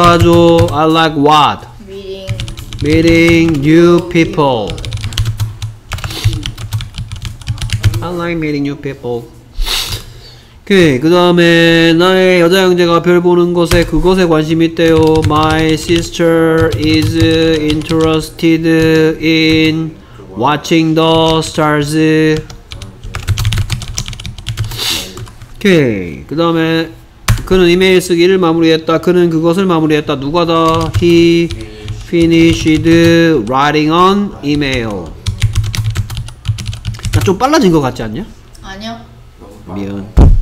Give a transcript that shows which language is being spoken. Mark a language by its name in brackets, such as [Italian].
[Korean] 하죠. [English] I like what? Meeting new people. I like meeting new people. [Korean] 오케이. 그 다음에 나의 여자 형제가 별 보는 것에 그것에 관심이 있대요. [English] My sister is interested in watching the stars. [Korean] 오케이. 그 다음에 그는 이메일 쓰기를 마무리했다. 그는 그것을 마무리했다. 누가 더? [English] He finished writing on email. [Korean] 나 좀 빨라진 것 같지 않냐? 아니요. 미안.